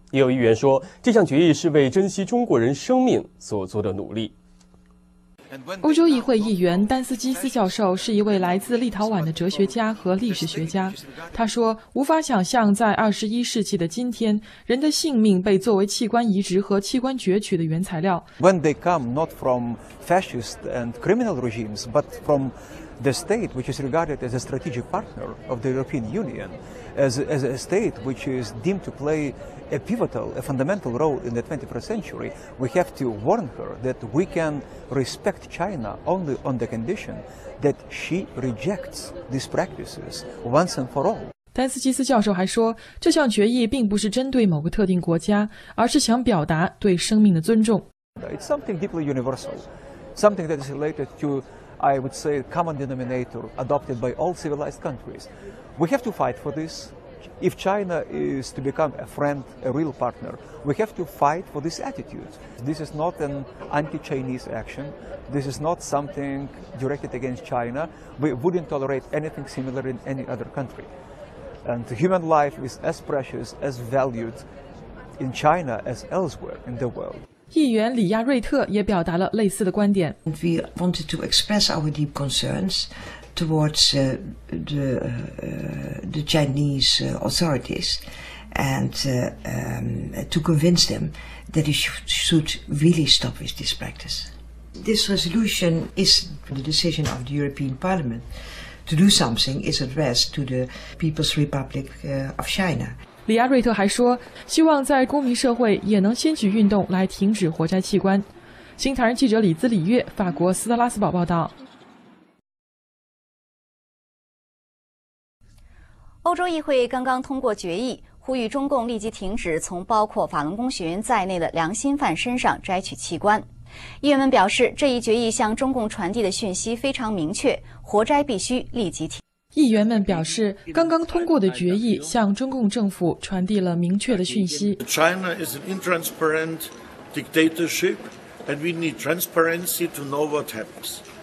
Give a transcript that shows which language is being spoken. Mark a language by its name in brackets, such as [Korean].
[Chinese] 也有议员说，这项决议是为珍惜中国人生命所做的努力。欧洲议会议员丹斯基斯教授是一位来自立陶宛的哲学家和历史学家。他说，无法想象在21世纪的今天，人的性命被作为器官移植和器官攫取的原材料。 [English] When they come not from fascist and criminal regimes, but from the state which is regarded as a strategic partner of the European Union, as a state which is deemed to play a pivotal, a fundamental role in the 21st century, we have to warn her that we can respect China only on the condition that she rejects these practices once and for all. [Chinese] 丹斯基斯教授还说，这项决议并不是针对某个特定国家，而是想表达对生命的尊重。 [English] It's something deeply universal, something that is related to, I would say, common denominator adopted by all civilized countries. We have to fight for this. If China is to become a friend, a real partner, we have to fight for this attitude. This is not an anti-Chinese action. This is not something directed against China. We wouldn't tolerate anything similar in any other country. And human life is as precious, as valued in China as elsewhere in the world. [Chinese] 议员李亚瑞特也表达了类似的观点。 [English] We wanted to express our deep concerns. towards the Chinese authorities and to convince them that they should really stop with this practice. This resolution is the decision of the European Parliament to do something is addressed to the People's Republic of China. [Chinese] 李亚瑞特还说，希望在公民社会也能掀起运动来停止活摘器官。新唐人记者李兹李月，法国斯特拉斯堡报道。欧洲议会刚刚通过决议，呼吁中共立即停止从包括法轮功学员在内的良心犯身上摘取器官。议员们表示，这一决议向中共传递的讯息非常明确，活摘必须立即停。议员们表示，刚刚通过的决议向中共政府传递了明确的讯息。 [English] China is an intransparent dictatorship, and we need transparency to know what happens.